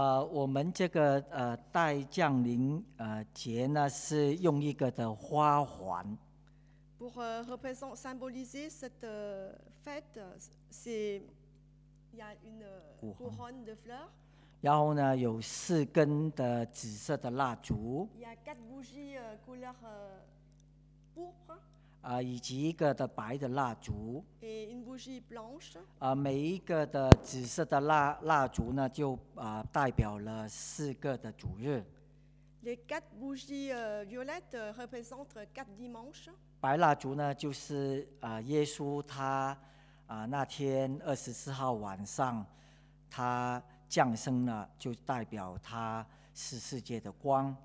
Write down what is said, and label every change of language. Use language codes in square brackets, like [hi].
[zh] 我们这个代降临节呢，是用一个的花环。 [fr] Pour représenter, symboliser cette fête, c'est il y a une couronne de fleurs. [zh] 然后呢，有四根的紫色的蜡烛。 [fr] Il y a quatre bougies couleur pourpre. [zh] 以及一个的白的蜡烛。 [fr] Et une bougie blanche. [zh] 每一个的紫色的蜡烛呢，就代表了四个的主日。 [fr] Les quatre bougies violettes représentent quatre dimanches. [zh] 白蜡烛呢，就是耶稣他那天24号晚上他降生了，就代表他是世界的光。